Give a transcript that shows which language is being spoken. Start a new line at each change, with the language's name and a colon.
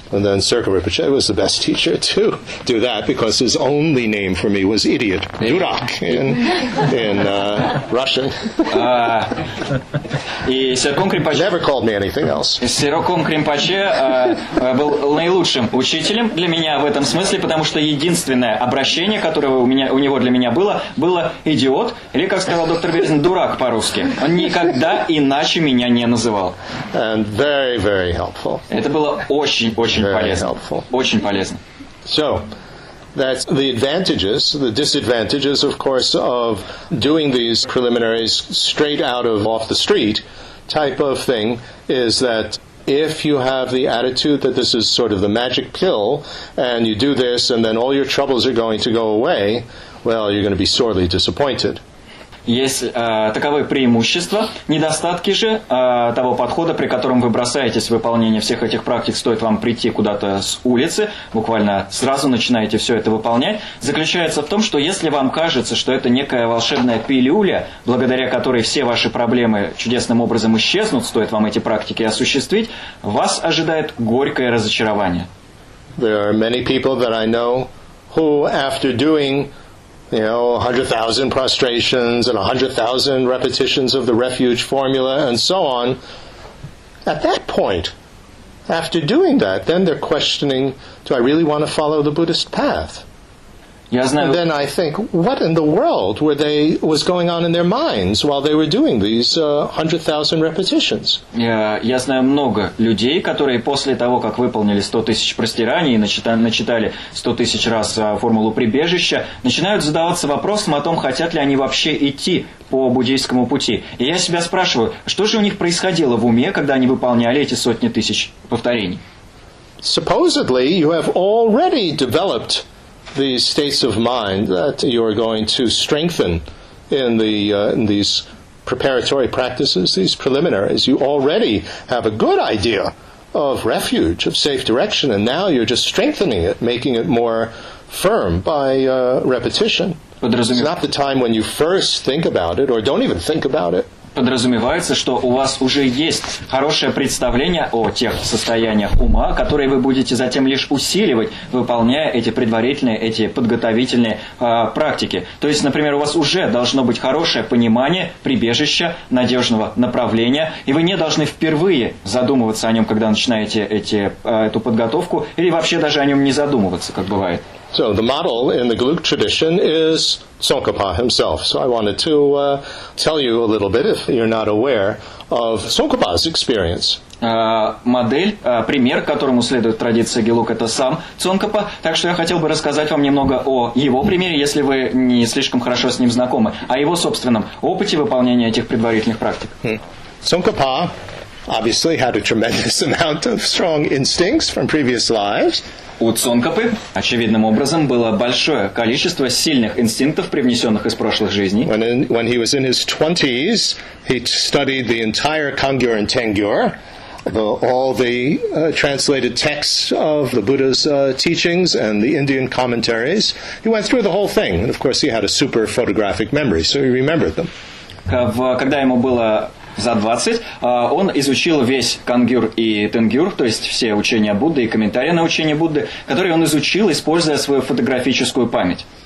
English: And then Sirka Rinpoche was the best teacher to do that because his only name for me was idiot, дурак, in Russian. И Серком Кримпаче never called me anything else.
Russian: Серком Кримпаче был наилучшим учителем для меня в этом смысле, потому что единственное обращение, которое у него для меня было идиот, или, как сказал доктор Березин, дурак по-русски. Он никогда иначе меня не называл.
English: And very, very helpful.
Russian: Это было очень-очень полезно.
English: Helpful.
Russian: Очень полезно.
English: So, that's the advantages, the disadvantages, of course, of doing these preliminaries straight out of off the street type of thing is that if you have the attitude that this is sort of the magic pill and you do this and then all your troubles are going to go away, well, you're going to be sorely disappointed.
Russian: Есть таковы преимущества, недостатки же того подхода, при котором вы бросаетесь в выполнение всех этих практик, стоит вам прийти куда-то с улицы, буквально сразу начинаете все это выполнять, заключается в том, что если вам кажется, что это некая волшебная пилюля, благодаря которой все ваши проблемы чудесным образом исчезнут, стоит вам эти практики осуществить, вас ожидает горькое разочарование.
English: There are many people that I know who after doing 100,000 prostrations and 100,000 repetitions of the refuge formula and so on, at that point, after doing that, then they're questioning, do I really want to follow the Buddhist path? And then I think, what in the world was going on in their minds while they were doing these 100,000 repetitions?
Russian: Я знаю много людей, которые после того, как выполнили 100 тысяч простираний и начитали 100 тысяч раз формулу прибежища, начинают задаваться вопросом о том, хотят ли они вообще идти по буддийскому пути. И я себя спрашиваю, что же у них происходило в уме, когда они выполняли эти сотни тысяч повторений?
English: Supposedly, you have already developed these states of mind that you are going to strengthen in these preparatory practices, these preliminaries. You already have a good idea of refuge, of safe direction, and now you're just strengthening it, making it more firm by repetition. It's not the time when you first think about it, or don't even think about it.
Russian: Подразумевается, что у вас уже есть хорошее представление о тех состояниях ума, которые вы будете затем лишь усиливать, выполняя эти предварительные, эти подготовительные практики. То есть, например, у вас уже должно быть хорошее понимание прибежища, надежного направления, и вы не должны впервые задумываться о нем, когда начинаете эту подготовку, или вообще даже о нем не задумываться, как бывает.
English: So the model in the Gelug tradition is Tsongkhapa himself. So I wanted to tell you a little bit, if you're not aware, of Tsongkhapa's experience.
Russian: Модель, пример, которому следует традиция Гелуг, это сам Цонкапа. Так что я хотел бы рассказать вам немного о его примере, если вы не слишком хорошо с ним знакомы, о его собственном опыте выполнения этих предварительных практик.
English: Tsongkhapa obviously had a tremendous amount of strong instincts from previous lives.
Russian: У Цонкапы, очевидным образом, было большое количество сильных инстинктов, привнесенных из прошлых жизней.
English: When he was in his 20s, he studied the entire Kangyur and Tengyur, all the translated texts of the Buddha's teachings and the Indian commentaries. He went through the whole thing, and of course he had a super photographic memory, so he remembered them.
Russian: Когда ему было за 20, он изучил весь Кангюр и Тенгюр, то есть все учения Будды и комментарии на учения Будды, которые он изучил, используя свою фотографическую память.